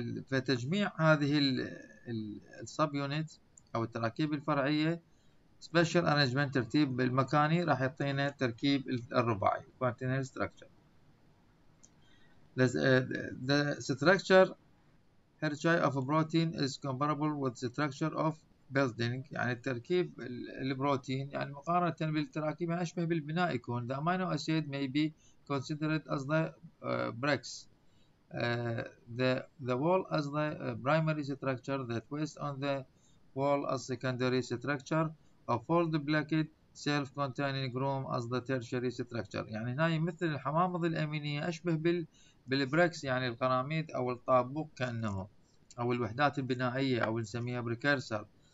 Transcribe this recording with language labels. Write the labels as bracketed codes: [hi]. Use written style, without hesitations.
[ar] فتجميع هذه السب يونت او التراكيب الفرعيه [en] special arrangement [ar] ترتيب المكاني راح يعطينا تركيب الرباعي quaternary structure. [en] The structure hierarchy of a protein is comparable with the structure of building. [ar] يعني التركيب البروتين يعني مقارنة بالتراكيب أشبه بالبناء يكون. [en] The amino acid may be considered as the bricks. The wall as the primary structure. The twist on the wall as secondary structure. A fold bracket self-containing groom as the tertiary structure. [ar] يعني هنا مثل الحوامض الأمينية أشبه بالبريكس، يعني القراميد او الطابوق كانه، او الوحدات البنائيه او نسميها بريكرسر.